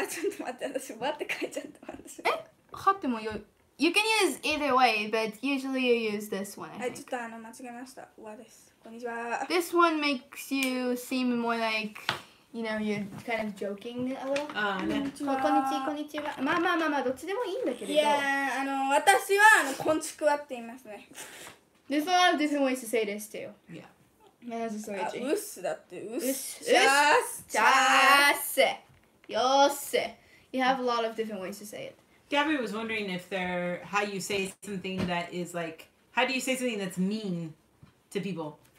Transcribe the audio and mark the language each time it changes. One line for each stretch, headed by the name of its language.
Japanese: ちょっと待って、私、わって書いちゃった。え、はってもよ。
English: You can use either way, but usually you use this one, I think.
Japanese: ちょっと間違えました。わです。こんにちは。
English: This one makes you seem more like, you know, you're kind of joking a little.
Japanese: あ、ね、こんにちは。まあ、どっちでもいいんだけど。いや、私は、こんちくわって言いますね。
English: There's a lot of different ways to say this too. Yeah. That's so itchy.
Japanese: うっすだって、うっす。じゃーっせ。よーっせ。
English: You have a lot of different ways to say it. Gabby was wondering if there, how you say something that is like, how do you say something that's mean to people?